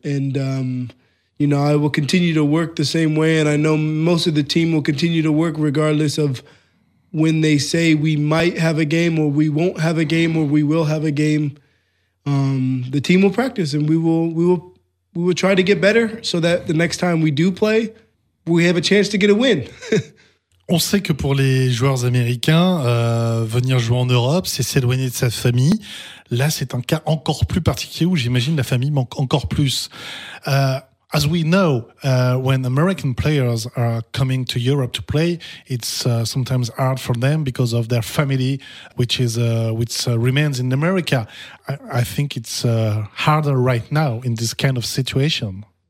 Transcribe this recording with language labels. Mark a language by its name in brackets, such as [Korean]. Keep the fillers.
[English] And um, you know, I will continue to work the same way and I know most of the team will continue to work regardless of when they say we might have a game or we won't have a game or we will have a game, um, the team will practice and we will we will we will try to get better so that the next time we do play, we have a chance to get a win. [French] On sait que pour les joueurs américains, euh, venir jouer en Europe, c'est s'éloigner de sa famille. Là, c'est un cas encore plus particulier où j'imagine la famille manque encore plus. [English] Euh, as we know, uh, when American players are coming to Europe to play, it's uh, sometimes hard for them because of their family, which is uh, which uh, remains in America. I, I think it's uh, harder right now in this kind of situation.